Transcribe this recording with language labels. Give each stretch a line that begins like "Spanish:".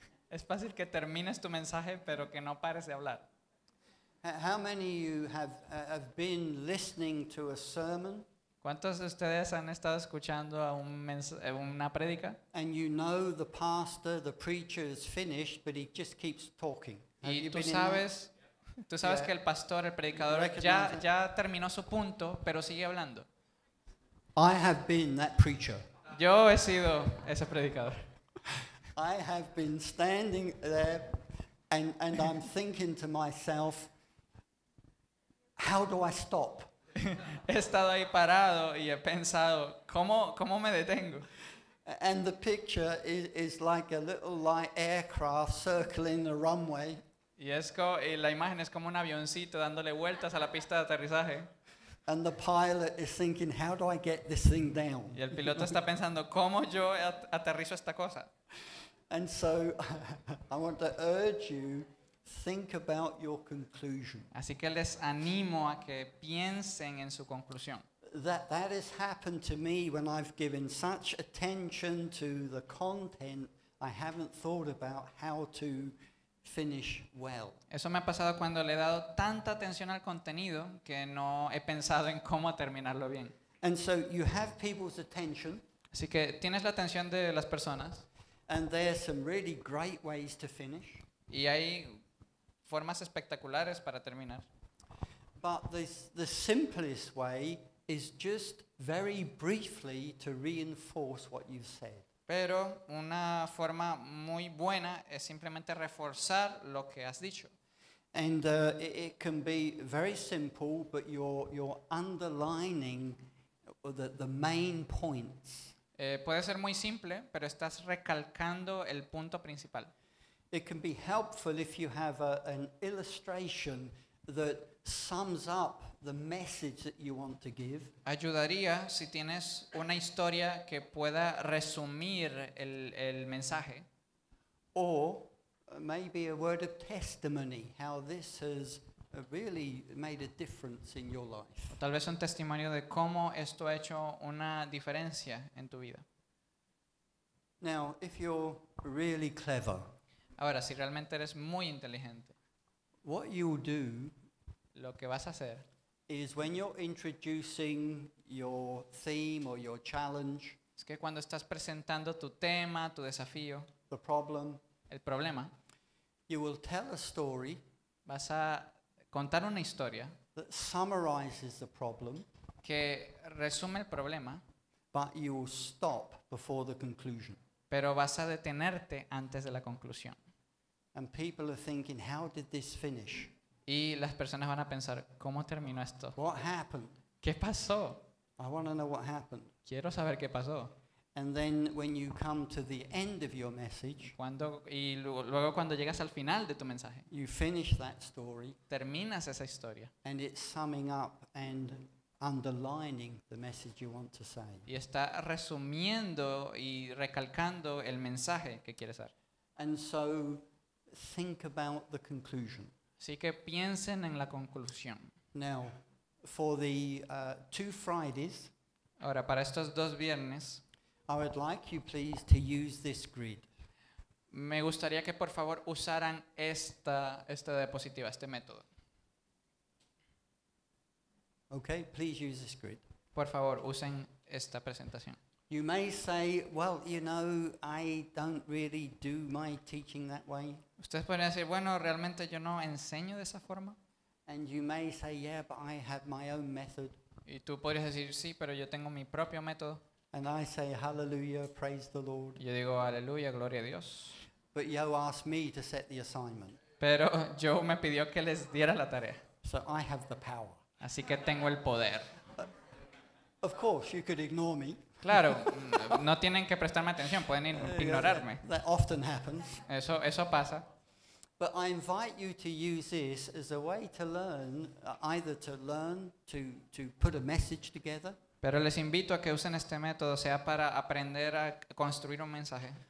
Spanish: Es fácil que termines tu mensaje pero que no pares de hablar.
English: How many of you have been listening to a sermon?
Spanish: ¿Cuántos de ustedes han estado escuchando a una prédica?
English: And you know the pastor, the preacher is finished, but he just keeps talking.
Spanish: Y tú sabes que el pastor, el predicador, ya terminó su punto, pero sigue hablando.
English: I have been that preacher.
Spanish: Yo he sido ese predicador.
English: I have been standing there and I'm thinking to myself, how do I stop?
Spanish: He estado ahí parado y he pensado, ¿cómo me detengo?
English: And the picture is like a little light aircraft circling the runway.
Spanish: Y la imagen es como un avioncito dándole vueltas a la pista de aterrizaje.
English: And the pilot is thinking, how do I get this thing down?
Spanish: Y el piloto está pensando, ¿cómo yo aterrizo esta cosa?
English: And so I want to urge you, think about your conclusion.
Spanish: Así que les animo a que piensen en su conclusión.
English: that has happened to me when I've given such attention to the content, I haven't thought about how to finish well.
Spanish: Eso me ha pasado cuando le he dado tanta atención al contenido que no he pensado en cómo terminarlo bien.
English: And so you have people's attention.
Spanish: Así que tienes la atención de las personas.
English: And there are some really great ways to finish.
Spanish: Y hay formas espectaculares para terminar.
English: But the simplest way is just very briefly to reinforce what you've said.
Spanish: Pero una forma muy buena es simplemente reforzar lo que has dicho.
English: And it can be very simple, but you're underlining the main points.
Spanish: Puede ser muy simple, pero estás recalcando el punto principal.
English: It can be helpful if you have an illustration that sums up the message that you want to give.
Spanish: Ayudaría si tienes una historia que pueda resumir el mensaje.
English: Or maybe a word of testimony, how this has really made a difference in your life.
Spanish: O tal vez un testimonio de cómo esto ha hecho una diferencia en tu vida.
English: Now, if you're really clever.
Spanish: Ahora, si realmente eres muy inteligente.
English: What you do.
Spanish: Lo que vas a hacer
English: is when you're introducing your theme or your challenge,
Spanish: es que cuando estás presentando tu tema, tu desafío,
English: the problem,
Spanish: el problema,
English: you will tell a story,
Spanish: vas a contar una historia
English: that summarizes the problem,
Spanish: que resume el problema,
English: but you will stop before the conclusion.
Spanish: Pero vas a detenerte antes de la conclusión.
English: And people are thinking, how did this finish?
Spanish: Y las personas van a pensar, ¿cómo terminó esto?
English: What happened?
Spanish: ¿Qué pasó?
English: I want to know what happened.
Spanish: Quiero saber qué pasó.
English: And then when you come to the end of your message,
Spanish: luego cuando llegas al final de tu mensaje,
English: you finish that story,
Spanish: terminas esa historia,
English: and it's summing up and underlining the message you want to say.
Spanish: Y está resumiendo y recalcando el mensaje que quieres dar.
English: And so think about the conclusion.
Spanish: Así que piensen en la conclusión.
English: Now, for the two Fridays,
Spanish: ahora para estos dos viernes,
English: I would like you please to use this grid.
Spanish: Me gustaría que por favor usaran esta diapositiva, este método.
English: Okay, please use this grid.
Spanish: Por favor, usen esta presentación.
English: You may say, well, you know, I don't really do my teaching that way.
Spanish: Ustedes pueden decir, bueno, realmente yo no enseño de esa forma.
English: And you may say, yeah, but I have my own method.
Spanish: Y tú podrías decir, sí, pero yo tengo mi propio método.
English: And I say, hallelujah, praise the Lord.
Spanish: Yo digo, aleluya, gloria a Dios.
English: But yo asked me to set the assignment.
Spanish: Pero yo me pidió que les diera la tarea.
English: So I have the power.
Spanish: Así que tengo el poder.
English: Of course, you could ignore me.
Spanish: Claro, no tienen que prestarme atención, pueden ignorarme.
English: That often happens.
Spanish: Eso pasa.
English: But I invite you to use this as a way to learn, either to learn to put a message together.
Spanish: Pero les invito a que usen este método, sea para aprender a construir un mensaje.